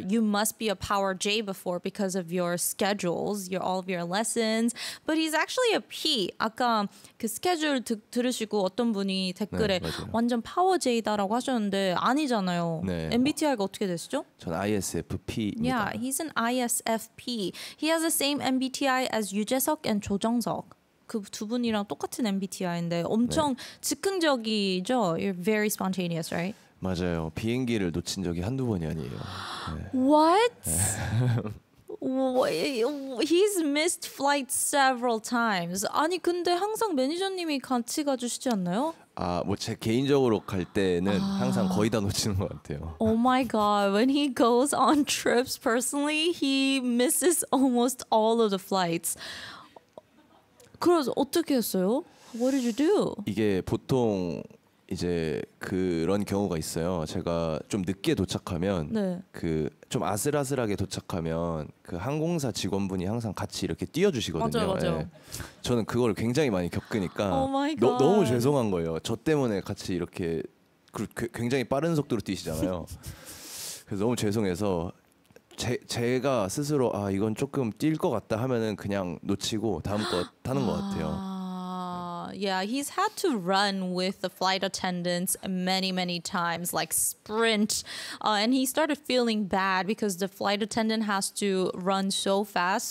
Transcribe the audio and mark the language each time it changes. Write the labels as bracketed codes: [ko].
[en] You must be a power J before because of your schedules, your all of your lessons. But he's actually a P. [ko] 아까 그 스케줄 들으시고 어떤 분이 댓글에 네, 완전 파워 J다라고 하셨는데 아니잖아요. 네. MBTI가 어떻게 되시죠? 전 ISFP입니다. [en] Yeah, he's an ISFP. He has the same MBTI as 유재석 and 조정석. [ko] 그 두 분이랑 똑같은 MBTI인데 엄청 네. 즉흥적이죠? [en] You're very spontaneous, right? [ko] 맞아요. 비행기를 놓친 적이 한두 번이 아니에요. [en] 네. What? He's missed flights several times. [ko] 아니 근데 항상 매니저님이 같이 가주시지 않나요? 아, 뭐 제 개인적으로 갈 때는 아. 항상 거의 다 놓치는 것 같아요. [en] Oh my god, when he goes on trips personally, he misses almost all of the flights. [ko] 그래서 어떻게 했어요? [en] What did you do? [ko] 이게 보통 이제 그런 경우가 있어요. 제가 좀 늦게 도착하면 네. 그 좀 아슬아슬하게 도착하면 그 항공사 직원분이 항상 같이 이렇게 뛰어주시거든요. 맞아요, 맞아요. 네. 저는 그걸 굉장히 많이 겪으니까 너무 죄송한 거예요. 저 때문에 같이 이렇게 굉장히 빠른 속도로 뛰시잖아요. 그래서 너무 죄송해서 제가 스스로 아 이건 조금 뛸 것 같다 하면은 그냥 놓치고 다음 거 타는 것 같아요. [en] Yeah, he's had to run with the flight attendants many, many times, like sprint. And he started feeling bad because the flight attendant has to run so fast.